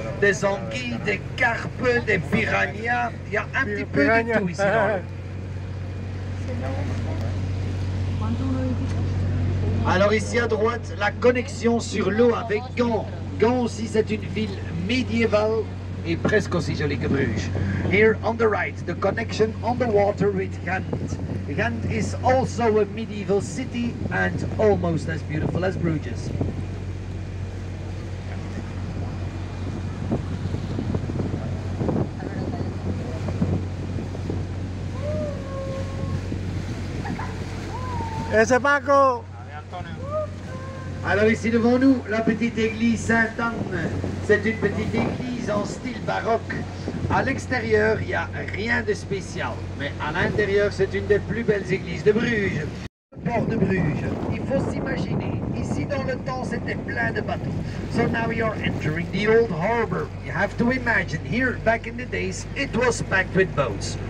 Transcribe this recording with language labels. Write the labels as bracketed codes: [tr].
[fr] Des anguilles, des carpes, des piranhas. Il y a un petit peu de tout ici. Alors ici à droite, la connexion sur l'eau avec Gand. Gand aussi, c'est une ville médiévale et presque aussi jolie que Bruges. [en] Here on the right, the connection on the water with Gand. Gand is also a medieval city and almost as beautiful as Bruges. [es] Ese Paco. [fr] Alors ici devant nous, la petite église Sainte-Anne. C'est une petite église en style baroque. À l'extérieur, il n'y a rien de spécial. Mais à l'intérieur, c'est une des plus belles églises de Bruges. Le port de Bruges, il faut s'imaginer. Ici dans le temps, c'était plein de bateaux. [en] So now you're entering the old harbor. You have to imagine, here back in the days, it was packed with boats.